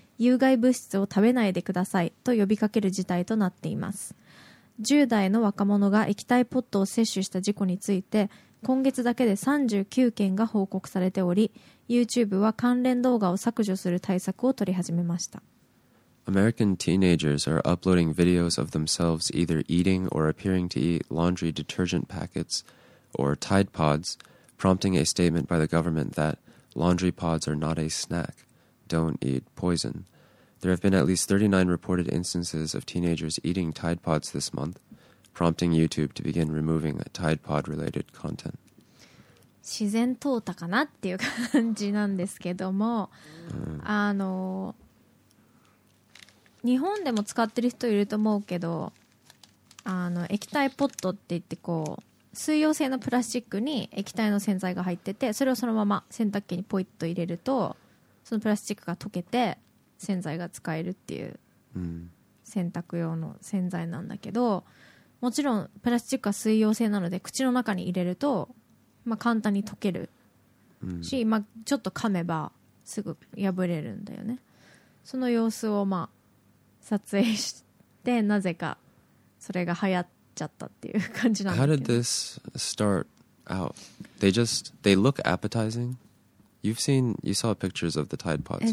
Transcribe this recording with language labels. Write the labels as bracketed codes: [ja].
[ja] 有害物質を食べないでくださいと呼びかける事態となっています。 10代の若者が液体ポットを摂取した事故について今月だけで39件が報告されており、 YouTube は関連動画を削除する対策を取り始めました。 [en] American teenagers are uploading videos of themselves either eating or appearing to eat laundry detergent packets or Tide Pods, prompting a statement by the government that laundry pods are not a snack, don't eat poison. There have been at least 39 reported instances of teenagers eating Tide Pods this month, prompting YouTube to begin removing Tide Pod-related content. [ja] 自然淘汰かなっていう感じなんですけども、うん、あの日本でも使ってる人いると思うけど、あの液体ポットって言ってこう水溶性のプラスチックに液体の洗剤が入ってて、それをそのまま洗濯機にポイッと入れるとそのプラスチックが溶けて洗剤が使えるっていう洗濯用の洗剤なんだけど、もちろんプラスチックは水溶性なので口の中に入れるとまあ簡単に溶けるし、まあちょっと噛めばすぐ破れるんだよね。その様子をまあ撮影して、なぜかそれが流行っちゃったっていう感じなんだけど。 [en] How did this start out? They look appetizing? You saw pictures of the Tide Pods, right?